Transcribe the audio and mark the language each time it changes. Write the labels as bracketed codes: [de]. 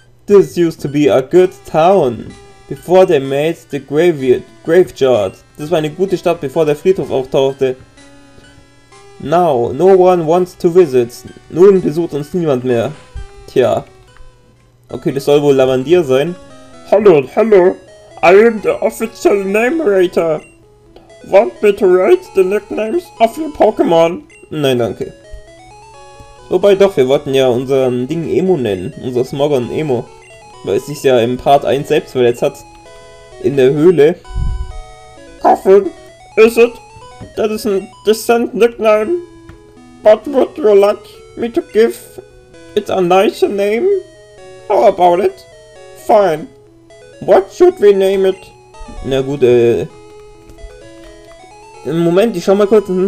[en] This used to be a good town. Before they made the graveyard. [de] Das war eine gute Stadt, bevor der Friedhof auftauchte. [en] Now, no one wants to visit. [de] Nun besucht uns niemand mehr. Tja. Okay, das soll wohl Lavandier sein. Hallo, hallo. [en] I am the official name writer. Want me to write the nicknames of your Pokémon? [de] Nein, danke. Wobei doch, wir wollten ja unseren Ding Emo nennen. Unser Smogon Emo. Weil es sich ja im Part 1 selbst verletzt hat. In der Höhle. [en] Coffin, is it? That is a decent nickname. But would you like me to give it a nicer name? How about it? Fine. What should we name it? [de] Na gut, Moment, ich schau mal kurz.